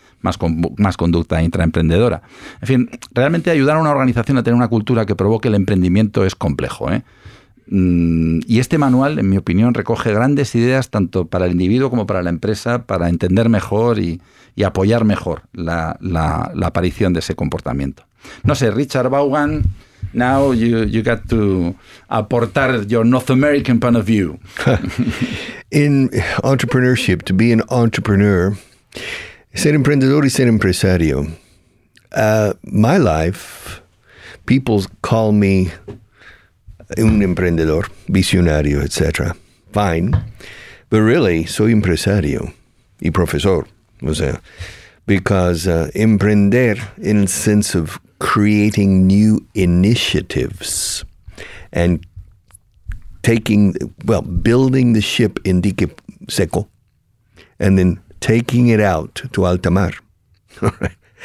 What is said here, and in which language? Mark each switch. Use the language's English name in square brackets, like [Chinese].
[Spanish] más conducta intraemprendedora. En fin, realmente ayudar a una organización a tener una cultura que provoque el emprendimiento es complejo, ¿eh? Y este manual, en mi opinión, recoge grandes ideas tanto para el individuo como para la empresa, para entender mejor y apoyar mejor la aparición de ese comportamiento. No sé, [English] Richard Vaughan, now you got to aportar your North American point of view. In entrepreneurship, to be an entrepreneur, [Spanish] ser emprendedor y ser empresario. [English] My life, people call me [Spanish] un emprendedor, visionario, [English] etc. Fine. But really, [Spanish] soy empresario y profesor. O sea, [English] because emprender in the sense of creating new initiatives and building the ship in [Spanish] dique seco [English] and then taking it out to [Spanish] alta mar. [English] Right.